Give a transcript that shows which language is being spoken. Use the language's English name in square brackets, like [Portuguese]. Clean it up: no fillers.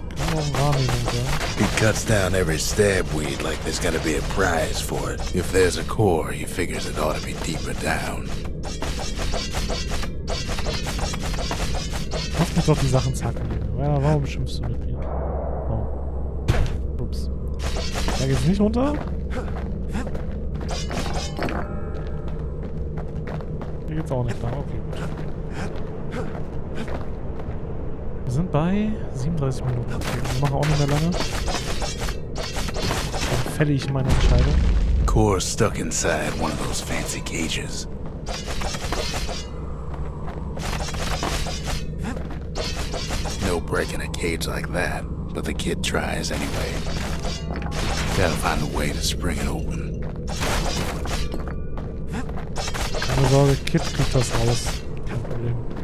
[English] He cuts down every stab weed like there's gonna be a prize for it. If there's a core, he figures it ought to be deeper down. [German] Lass mich doch die Sachen zacken. Warum schimpfst du mit mir? Oh. Ups. Da geht's nicht runter. Hier geht's auch nicht da. Okay, gut. Wir sind bei 37 Minuten. Wir machen auch nicht mehr lange. Dann fälle ich meine Entscheidung. [English] Core stuck inside one of those fancy cages. No breaking a cage like that, but the kid tries anyway. Gotta find a way to spring it open. [German] Keine Sorge, Kid kriegt das raus. Kein Problem.